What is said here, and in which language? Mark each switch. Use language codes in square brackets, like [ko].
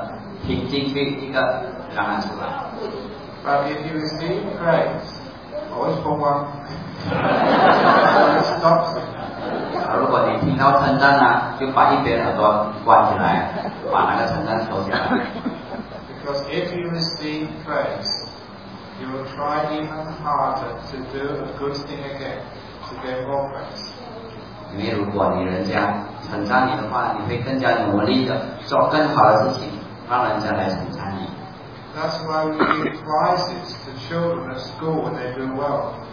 [zh] 你要记得为什么你有两只耳朵，那就是为了让一个听进去，一个让它出来。 [en] But if you receive grace, always put one. Stop. [zh] 如果你听到称赞了，就把一边耳朵关起来，把那个称赞收起来。 [en] Because if you receive praise, you will try even harder to do a good thing again, to get more praise. [zh] 因为如果你人家称赞你的话，你会更加努力的做更好的事情，让人家来称赞你。 [en] That's why we give prizes to children at school when they do well.